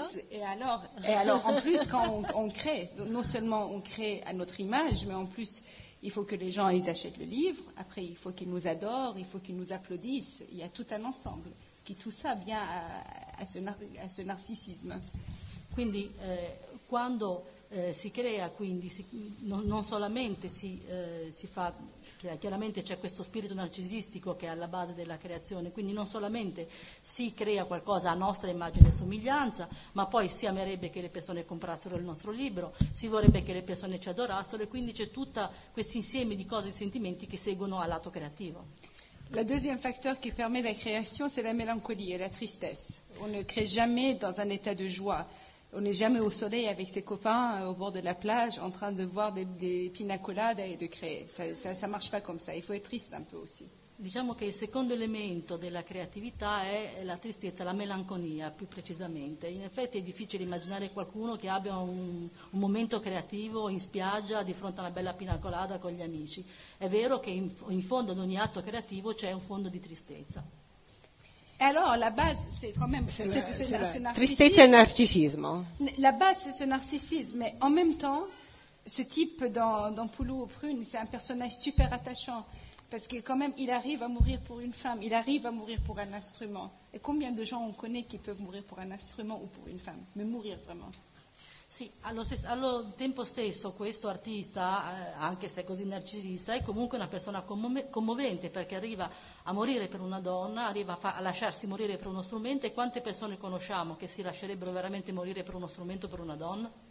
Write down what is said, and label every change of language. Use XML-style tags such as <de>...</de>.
<it>E allora</it> <fr>en plus quand on crée, non seulement on crée à notre image, mais en plus il faut que les gens ils achètent le livre, après il faut qu'ils nous adorent, il faut qu'ils nous applaudissent, il y a tout un ensemble qui tout ça vient à ce narcissisme.</fr> <it>Quindi quando si crea, quindi non solamente si fa, chiaramente c'è questo spirito narcisistico che è alla base della creazione, quindi non solamente si crea qualcosa a nostra immagine e somiglianza, ma poi si amerebbe che le persone comprassero il nostro libro, si vorrebbe che le persone ci adorassero, e quindi c'è tutto questo insieme di cose e sentimenti che seguono al lato creativo.</it> <fr>La deuxième facteur qui permet la création c'est la mélancolie et la tristesse. On ne crée jamais dans un état de joie. On n'est jamais au soleil avec ses copains au bord de la plage en train de voir des pina colada et de créer. Ça marche pas comme ça. Il faut être triste un peu aussi.</fr> <it>Diciamo che il secondo elemento della creatività è la tristezza, la melanconia più precisamente. In effetti è difficile immaginare qualcuno che abbia un momento creativo in spiaggia di fronte a una bella pina colada con gli amici. È vero che in fondo ad ogni atto creativo c'è un fondo di tristezza.</it> <fr>Alors la base c'est quand même tristesse et narcissisme. La base c'est ce narcissisme, mais en même temps ce type dans Poulou aux prunes c'est un personnage super attachant parce que quand même il arrive à mourir pour une femme, il arrive à mourir pour un instrument. Et combien de gens on connaît qui peuvent mourir pour un instrument ou pour une femme, mais mourir vraiment?</fr> <it>Sì, allo tempo stesso questo artista, anche se è così narcisista, è comunque una persona commovente perché arriva a morire per una donna, arriva a lasciarsi morire per uno strumento, e quante persone conosciamo che si lascerebbero veramente morire per uno strumento, per una donna?</it>